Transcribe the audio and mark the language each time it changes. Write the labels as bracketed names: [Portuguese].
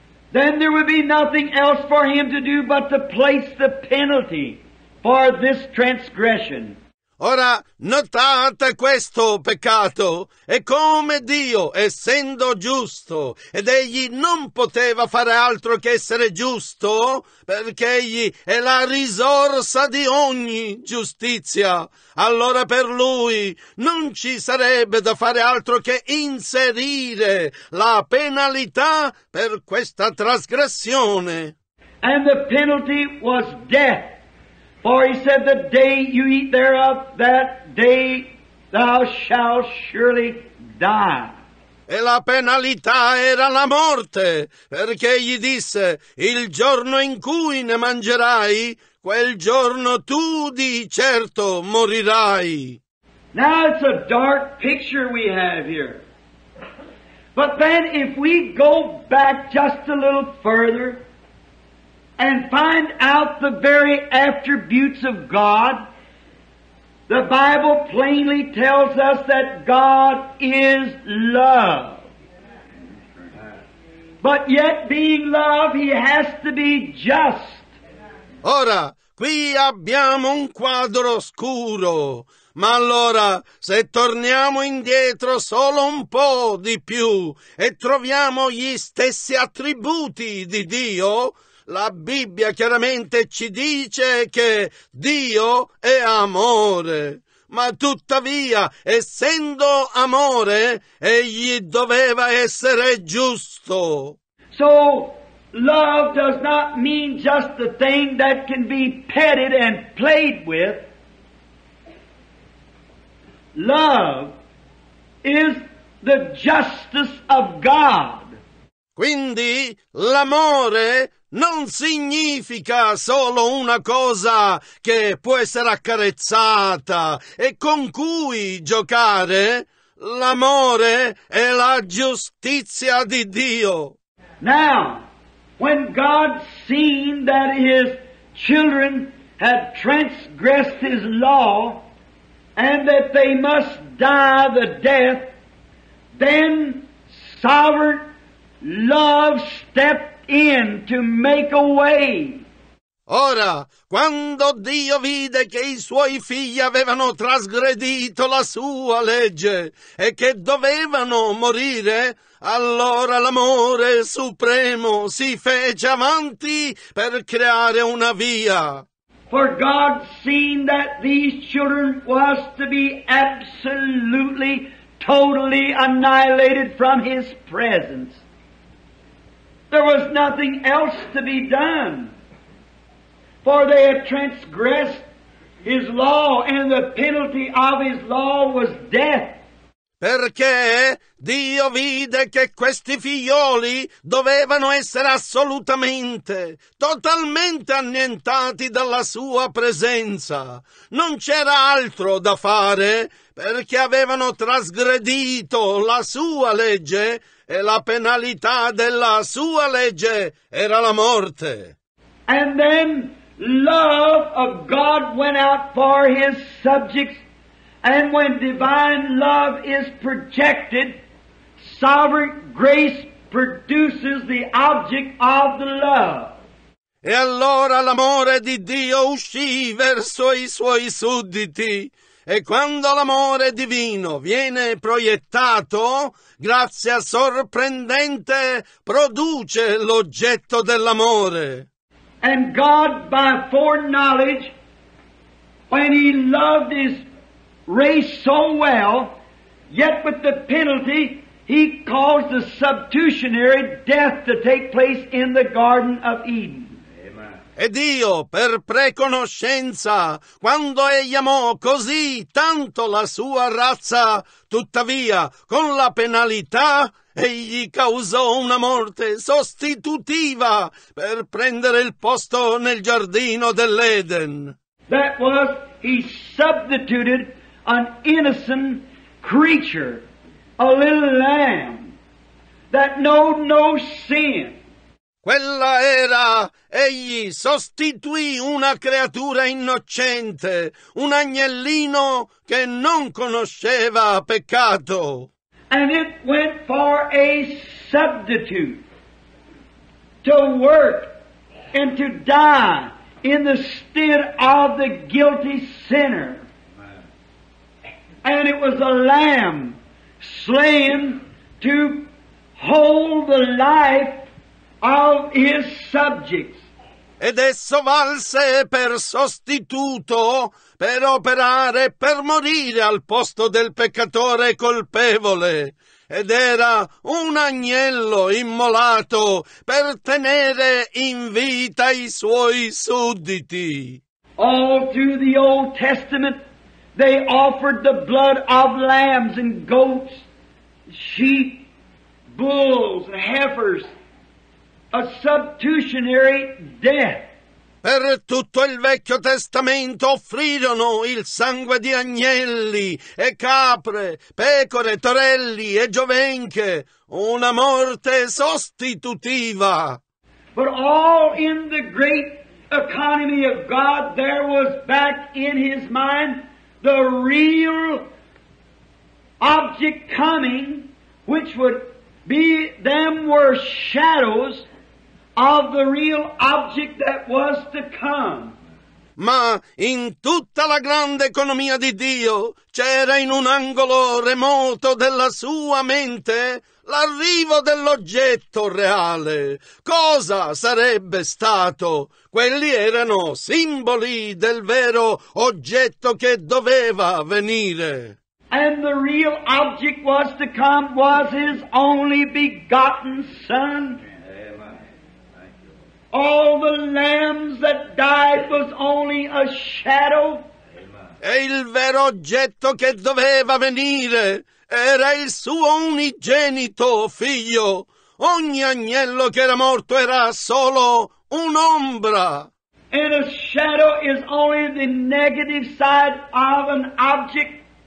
[English] Then there would be nothing else for him to do but to place the penalty for this transgression. [Italian] Ora, notate questo peccato, e come Dio, essendo giusto, ed egli non poteva fare altro che essere giusto, perché egli è la risorsa di ogni giustizia, allora per lui non ci sarebbe da fare altro che inserire la penalità per questa trasgressione. [English] And the penalty was death. For he said, the day you eat thereof, that day thou shalt surely die. [Italian] E la penalità era la morte, perché gli disse, il giorno in cui ne mangerai, quel giorno tu di certo morirai. [English] Now it's a dark picture we have here. But then if we go back just a little further, and find out the very attributes of God, the Bible plainly tells us that God is love. But yet being love, he has to be just. [Italian] Ora, qui abbiamo un quadro scuro. Ma allora, se torniamo indietro solo un po' di più e troviamo gli stessi attributi di Dio, la Bibbia chiaramente ci dice che Dio è amore, ma tuttavia, essendo amore, egli doveva essere giusto. [English] So, love does not mean just the thing that can be petted and played with. Love is the justice of God. [Italian] Quindi, l'amore non significa solo una cosa che può essere accarezzata e con cui giocare. L'amore è la giustizia di Dio. [English] Now, when God seen that his children had transgressed his law and that they must die the death, then sovereign love stepped in to make a way. [Italian] Ora, quando Dio vide che i suoi figli avevano trasgredito la sua legge e che dovevano morire, allora l'amore supremo si fece avanti per creare una via. [English] For God seen that these children was to be absolutely, totally annihilated from his presence. There was nothing else to be done, for they had transgressed his law, and the penalty of his law was death. [Italian] Perché Dio vide che questi figlioli dovevano essere assolutamente, totalmente annientati dalla sua presenza. Non c'era altro da fare, perché avevano trasgredito la sua legge e la penalità della sua legge era la morte. [English] And then love of God went out for his subjects. And when divine love is projected, sovereign grace produces the object of the love. [Italian] E allora l'amore di Dio uscì verso i suoi sudditi. E quando l'amore divino viene proiettato, grazia sorprendente produce l'oggetto dell'amore. [English] And God, by foreknowledge, when he loved his race so well, yet with the penalty, he caused the substitutionary death to take place in the Garden of Eden. Amen. [Italian] E Dio, per preconoscenza, quando egli amò così tanto la sua razza, tuttavia, con la penalità, egli causò una morte sostitutiva per prendere il posto nel giardino dell'Eden. [English] That was, he substituted an innocent creature, a little lamb, that knew no sin. [Italian] Quella era, egli sostituì una creatura innocente, un agnellino che non conosceva peccato. [English] And it went for a substitute to work and to die in the stead of the guilty sinner. And it was a lamb slain to hold the life of his subjects. [Italian] Ed esso valse per sostituto, per operare, per morire al posto del peccatore colpevole. Ed era un agnello immolato per tenere in vita i suoi sudditi. [English] All through the Old Testament they offered the blood of lambs and goats, sheep, bulls and heifers. A substitutionary death. [Italian] Per tutto il Vecchio Testamento offrirono il sangue di agnelli e capre, pecore, torelli e giovenche, una morte sostitutiva. [English] But all in the great economy of God, there was back in his mind the real object coming, which would be them were shadows of the real object that was to come. [Italian] Ma in tutta la grande economia di Dio c'era in un angolo remoto della sua mente l'arrivo dell'oggetto reale. Cosa sarebbe stato? Quelli erano simboli del vero oggetto che doveva venire. [English] And the real object was to come was his only begotten son. All the lambs that died was only a shadow. [Italian] E il vero oggetto che doveva venire era il suo unigenito figlio. Ogni agnello che era morto era solo un'ombra. [English] And a shadow is only the negative side of an object.